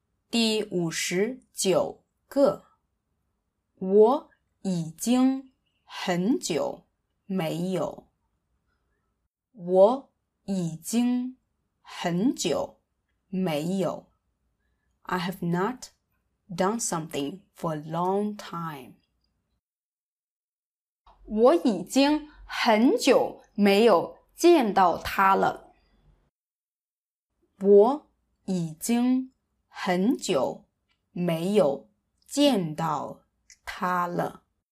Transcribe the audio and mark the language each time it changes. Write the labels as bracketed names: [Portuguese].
[Chinese] 第59个，我已经很久没有，我已经很久没有。 [English] I have not done something for a long time. [Chinese] 我已经很久没有见到他了。我已经很久没有见到他了。